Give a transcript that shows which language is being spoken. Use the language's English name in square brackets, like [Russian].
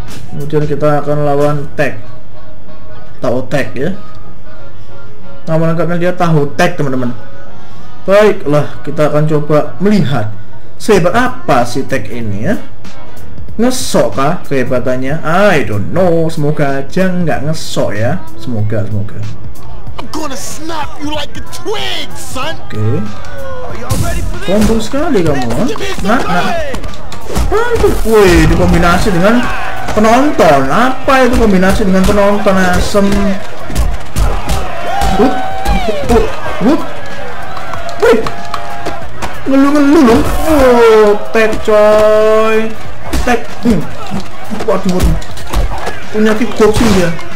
[Indonesian] Kemudian kita akan lawan Tag. Tahu Tag ya. Nama lengkapnya dia Tahu Tag, teman-teman. Baiklah, kita akan coba melihat sehebat apa si Tag ini ya. Ngesok kah kehebatannya? [English] I don't know. [Indonesian] Semoga aja enggak ngesok ya. Semoga. [English] I'm gonna snap you like a twig, son. [Indonesian] Oke. Combo sekali kamu. Nah. Aduh, woi, dikombinasi dengan penonton. Apa itu kombinasi dengan penonton asem? Woi, ngeluh-ngeluh loh. Oh, tag coy. Tag. Waduh. Punya kickboxing dia.